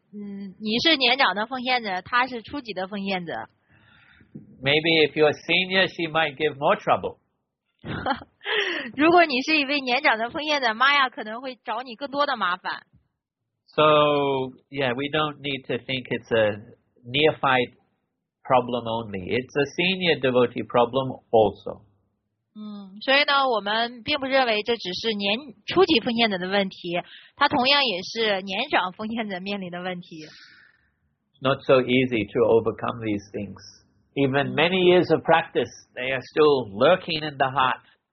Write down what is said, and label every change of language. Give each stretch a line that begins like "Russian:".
Chinese: 你是年长的奉献者，她是初级的奉献者。
English: Maybe if you're senior, she might give more trouble.
Chinese: 如果你是一位年长的奉献者，Maya可能会找你更多的麻烦。
English: So, yeah, we don't need to think it's a neophyte. Problem only. It's a senior devotee problem also.
Chinese: 所以呢，我们并不认为这只是年初级奉献者的问题，它同样也是年长奉献者面临的问题。
English: Not so easy to overcome these things. Even many years of practice, they are still lurking in the heart.